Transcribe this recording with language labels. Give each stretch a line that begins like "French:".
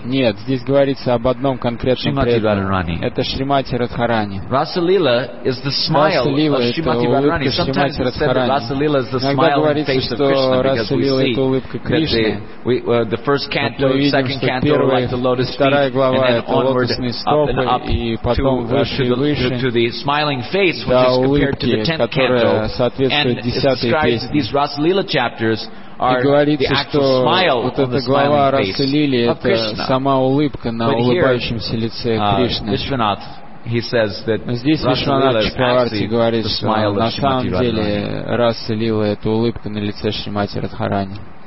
Russian: Нет, здесь говорится об одном конкретном преданном. Это Шримати Радхарани.
English: Rasalila is the smile of Shrimati Radharani. Sometimes it's said that Rasalila is the smile on the face of Krishna, because we see the first canto, second canto, like the lotus feet, and then onward up and up to the smiling face, which is compared to the tenth canto, and it describes these Rasalila chapters.
Russian: И говорится, что вот эта глава Расалили — это сама улыбка на улыбающемся лице Кришны. Здесь Вишванат Чакраварти говорит, что на самом деле Расалила — это улыбка на лице Шримати Радхарани.